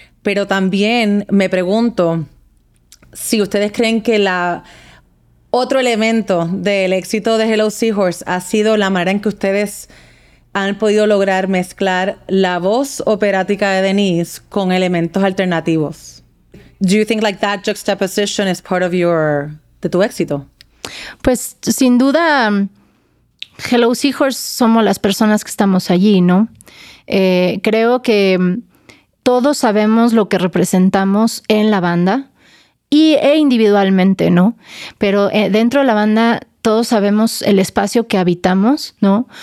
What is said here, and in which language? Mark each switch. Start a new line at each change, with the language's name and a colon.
Spanish: Pero también me pregunto si ustedes creen que otro elemento del éxito de Hello Seahorse ha sido la manera en que ustedes han podido lograr mezclar la voz operática de Denise con elementos alternativos.
English: Do you think like that juxtaposition is part of
Spanish: tu éxito? Pues sin duda, Hello Seahorse somos las personas que estamos allí, ¿no? Creo que todos sabemos lo que representamos en la banda e individualmente, ¿no? Pero dentro de la banda todos sabemos el espacio que habitamos, ¿no?